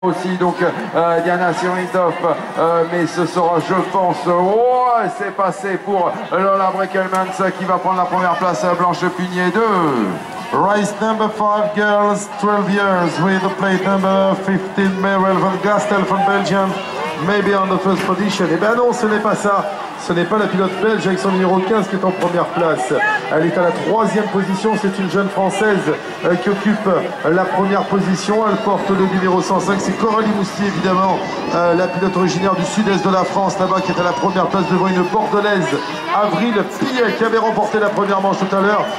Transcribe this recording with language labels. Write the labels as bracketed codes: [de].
[fr] aussi donc Diana Sirintov, mais ce sera, je pense, c'est passé pour Lola Brekelmans qui va prendre la première place à Blanche Pugnet 2. [en] Race number 5, girls, 12 years, with the plate number 15, Merel van Gastel from Belgium, maybe on the first position. [fr] Eh bien non, ce n'est pas ça. Ce n'est pas la pilote belge avec son numéro 15 qui est en première place. Elle est à la troisième position. C'est une jeune française qui occupe la première position. Elle porte le numéro 105. C'est Coralie Moustier, évidemment, la pilote originaire du sud-est de la France, là-bas, qui est à la première place devant une bordelaise, Avril Pillet, qui avait remporté la première manche tout à l'heure.